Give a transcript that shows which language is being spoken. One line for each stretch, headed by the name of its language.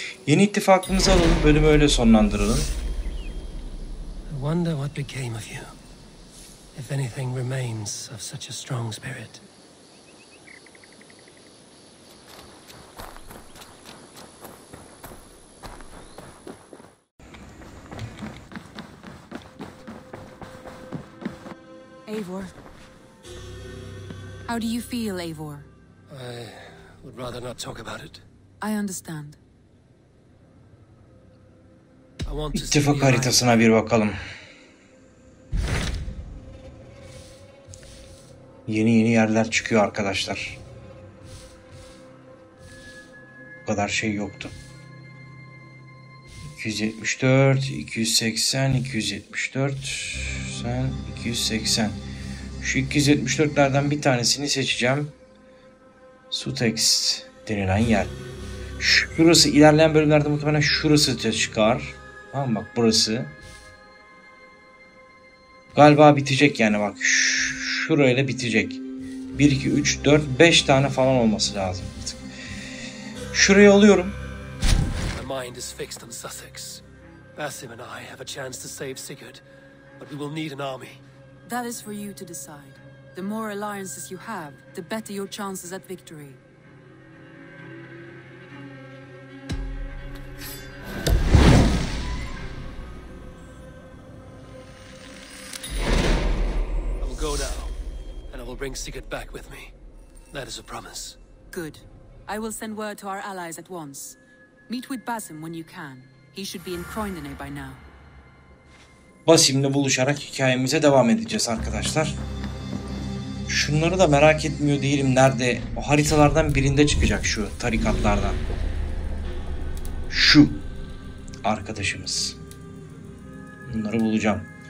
Turkish: Yeni ittifakımızı alalım. Bölümü öyle sonlandıralım.
English: I wonder what became of you. If anything remains of such a strong spirit. Eivor. How do you feel, Eivor? I would rather not talk about it. I understand. I want to
Turkish: İttifak haritasına bir bakalım. Yeni yeni yerler çıkıyor arkadaşlar. Bu kadar şey yoktu. 274, 280, 274, sen 280. Şu 274'lerden bir tanesini seçeceğim. Sutex denilen yer. Şurası ilerleyen bölümlerde muhtemelen şurası çıkar. Tamam bak burası. Galiba bitecek yani bak. Şurayla bitecek. 1, 2, 3, 4, 5 tane falan olması lazım artık. Şurayı alıyorum.
English: My mind is fixed on Sussex. Basim and I have a chance to save Sigurd. But we will need an army. That is for you to decide. The more alliances you have, the better your chances at victory. I will go now, and I will bring Sigurd back with me. That is a promise. Good. I will send word to our allies at once. Meet with Basim when you can. He should be in Croydon by now.
Turkish: Basim'le buluşarak hikayemize devam edeceğiz arkadaşlar. Şunları da merak etmiyor değilim, nerede? O haritalardan birinde çıkacak şu tarikatlardan. Şu arkadaşımız. Bunları bulacağım.